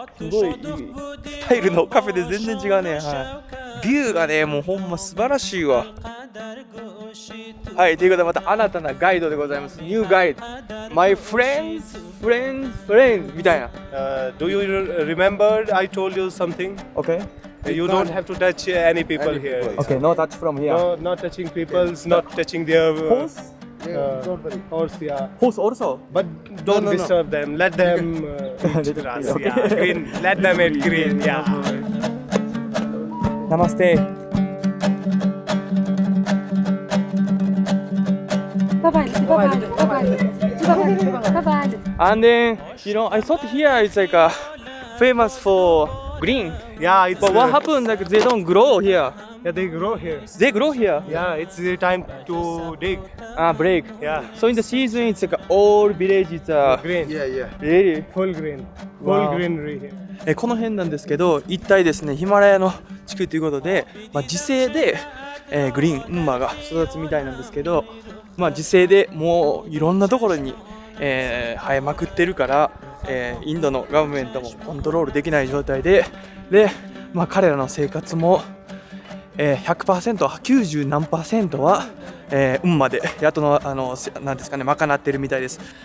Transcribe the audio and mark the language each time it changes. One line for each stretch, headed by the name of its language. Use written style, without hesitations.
Japanese: すごいいいスタイルのカフェで全然違うね。はい、ビューがね、もうほんま素晴らしいわ。はい、ということでまた新たなガイドでございます。ニューガイド、マイフレンズフレンズフレンズみたいな。
English: Do you remember I told you something? Okay. You don't have to touch any people here. Okay, no touch from here. No, not touching people, okay. Not touching their horse? Yeah, don't worry. Horse, yeah. Horse also? But don't disturb them. Let them eat grass. Okay. Yeah, green. Let them eat green, yeah.
Hindi: Namaste.
English: Bye-bye, bye-bye, bye-bye. Bye-bye. And then, you know, I thought here is like a famous for green. Yeah, it's... But what happened, like they don't grow here. Yeah, they grow here. They grow here? Yeah, it's the time to dig. Ah, break. Yeah. So in the season, it's like all village is... green. Yeah, yeah. Really? Full green. Full greenery here.
Japanese: この辺なんですけど、一体ですね、ヒマラヤの地区ということで、まあ、自生で、グリーン、ウンマが育つみたいなんですけど、まあ、自生でもういろんなところに、生えまくってるから、インドのガバメントもコントロールできない状態で、で、まあ、彼らの生活も、100%、90何%は、ウンマで、あとの、あの、なんですかね、賄ってるみたいです。